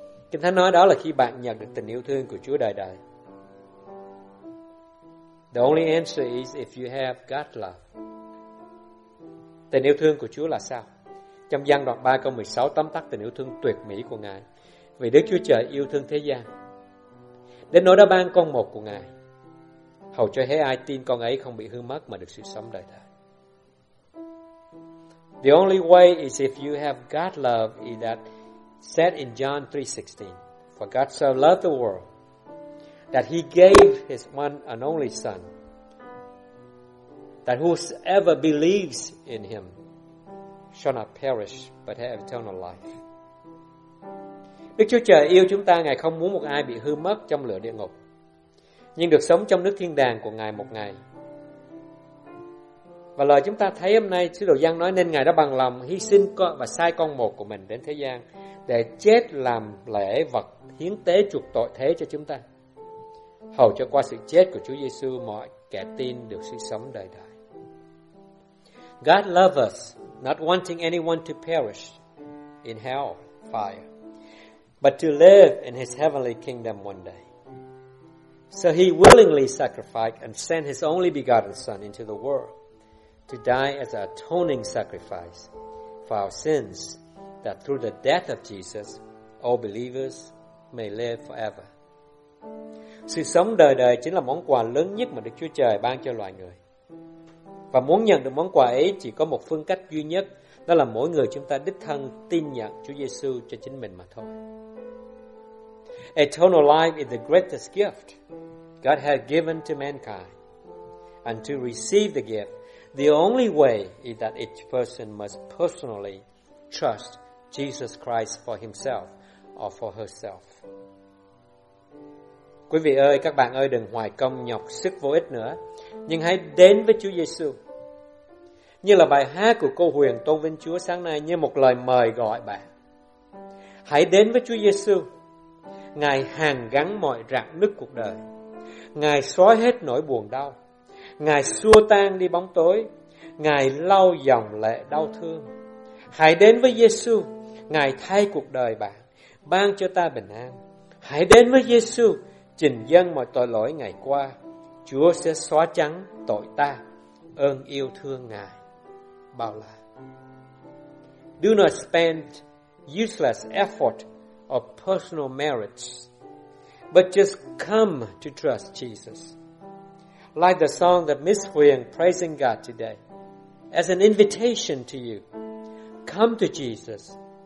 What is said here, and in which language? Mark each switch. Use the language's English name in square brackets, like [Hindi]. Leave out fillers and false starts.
[Vietnamese] Kinh Thánh nói đó là khi bạn nhận được tình yêu thương của Chúa đời đời. [English] The only answer is if you have God's love. [Vietnamese] Tình yêu thương của Chúa là sao? Trong Giăng đoạn 3 câu 16 tóm tắt tình yêu thương tuyệt mỹ của Ngài. Vì Đức Chúa Trời yêu thương thế gian đến nỗi đã ban con một của Ngài, hầu cho hễ ai tin con ấy không bị hư mất mà được sự sống đời đời. [English] The only way is if you have God's love is that said in John 3:16. For God so loved the world that he gave his one and only son, that whosoever believes in him shall not perish but have eternal life. [Vietnamese] Đức Chúa Trời yêu chúng ta, Ngài không muốn một ai bị hư mất trong lửa địa ngục, nhưng được sống trong nước thiên đàng của Ngài một ngày. Và lời chúng ta thấy hôm nay, Sứ đồ Giăng nói nên Ngài đã bằng lòng hy sinh con và sai con một của mình đến thế gian để chết làm lễ vật hiến tế chuộc tội thế cho chúng ta, hầu cho qua sự chết của Chúa Giêsu mọi kẻ tin được sự sống đời đời. [English] God loves us, not wanting anyone to perish in hell fire, but to live in his heavenly kingdom one day. So he willingly sacrificed and sent his only begotten son into the world to die as an atoning sacrifice for our sins, that through the death of Jesus, all believers may live forever. [Vietnamese] Sự sống đời đời chính là món quà lớn nhất mà Đức Chúa Trời ban cho loài người. Và muốn nhận được món quà ấy chỉ có một phương cách duy nhất, đó là mỗi người chúng ta đích thân tin nhận Chúa Giêsu cho chính mình mà thôi. [English] Eternal life is the greatest gift God has given to mankind. And to receive the gift, the only way is that each person must personally trust Jesus Christ for himself or for herself. [Vietnamese] Quý vị ơi, các bạn ơi, đừng hoài công nhọc sức vô ích nữa, nhưng hãy đến với Chúa Giêsu. Như là bài hát của cô Huyền tôn vinh Chúa sáng nay, như một lời mời gọi bạn. Hãy đến với Chúa Giêsu. Ngài hàn gắn mọi rạn nứt cuộc đời, Ngài xóa hết nỗi buồn đau, Ngài xua tan đi bóng tối, Ngài lau dòng lệ đau thương. Hãy đến với Giêsu, Ngài thay cuộc đời bạn, ban cho ta bình an. Hãy đến với Giêsu, trình dâng mọi tội lỗi ngày qua, Chúa sẽ xóa trắng tội ta. Ơn yêu thương Ngài bao la. [English] Do not spend useless effort of personal merits, but just come to trust Jesus. Like the song that Miss Huyền praising God today, as an invitation to you, come to Jesus.